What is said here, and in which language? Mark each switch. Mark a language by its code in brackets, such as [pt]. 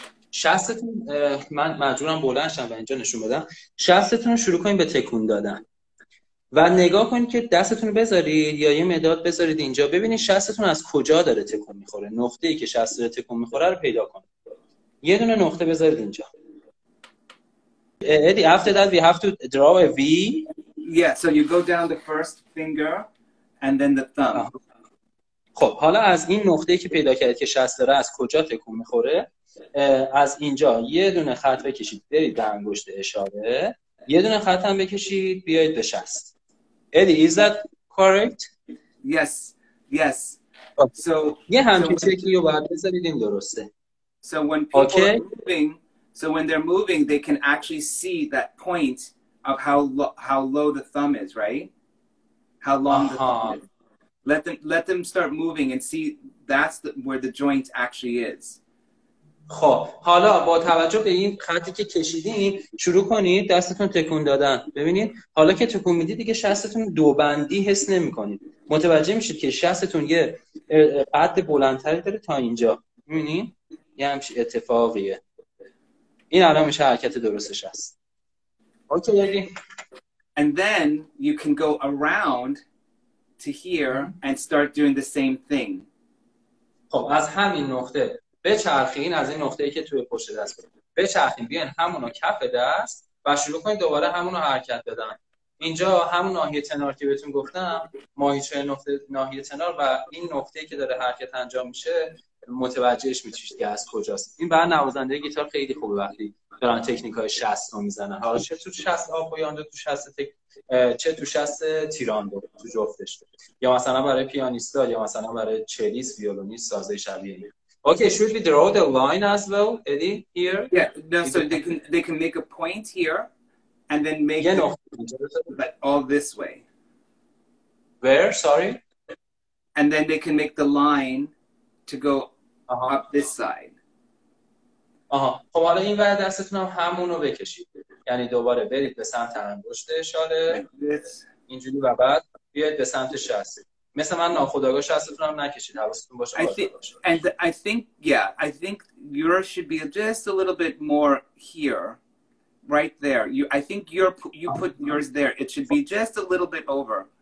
[fa] شستتون، من مجبورم بلندشم و اینجا نشون بدم، شستتون رو شروع کنید به تکون دادن و نگاه کنید که دستتون رو بذارید یا یه مداد بذارید اینجا، ببینید شستتون از کجا داره تکون میخوره، نقطه‌ای که شست داره تکون میخوره رو پیدا کنید. یه دونه نقطه بذارید اینجا. [en] Eddy, after that we have to draw a V. Yeah, so you go down the first finger and then the thumb. [fa] خب حالا از این نقطه‌ای که پیدا کردید که شست داره از کجا تکون میخوره، از اینجا یه دونه خط بکشید برید به انگشت اشاره، یه دونه خط هم بکشید بیایید به شست. [en] Eddy, is that correct? Yes, yes. So, [fa] یه همچین چکلی رو باید بذارید این درسته. [en] So when people okay. are moving, so when they're moving, they can actually see that point of how low the thumb is, right? How long the thumb is. Let them start moving and see that's where the joint actually is. [fa] خب حالا با توجه به این خطی که کشیدین شروع کنید دستتون تکون دادن. ببینید حالا که تکون میدید دیگه شستتون دو بندی حس نمی کنید، متوجه میشید که شستتون یه قد بلندتری داره تا اینجا. ببینید یه همچین اتفاقیه، این الان میشه حرکت درستش هست. [en] Okay, and then you can go around to here and start doing the same thing. [fa] خب از همین نقطه بچرخین، از این نقطه ای که توی پشت دست بود بچرخین، بیاین همونو کف دست و شروع کنید دوباره همونو حرکت دادن. اینجا همون ناحیه تنار که بهتون گفتم، ماهیچه نقطه ناحیه تنار و این نقطه ای که داره حرکت انجام میشه متوجهش میشید که از کجاست. این بعد نوازنده گیتار خیلی خوبه وقتی دارن تکنیکای شست رو میزنن، حالا چه تو شست آپویاندو، تو شست چه تو شست تیراندو، تو جفتش، یا مثلا برای پیانیستا، یا مثلا برای چلیس، ویولونیست، سازه شبیه. [en] Okay, should we draw the line as well, Eddy, here? Yeah, no, so they can make a point here and then make but all this way. Where? Sorry? And then they can make the line to go up this side. [fa] خب حالا این ور دستتون هم همونو بکشید. یعنی دوباره برید به سمت انگشت اشاره. اینجوری و بعد بیاید به سمت شست. مثل من ناخودآگاه شستتون هم نکشید، حواستون باشه. [en] I think yours should be just a little bit more here, right there. I think you put yours there. It should be just a little bit over.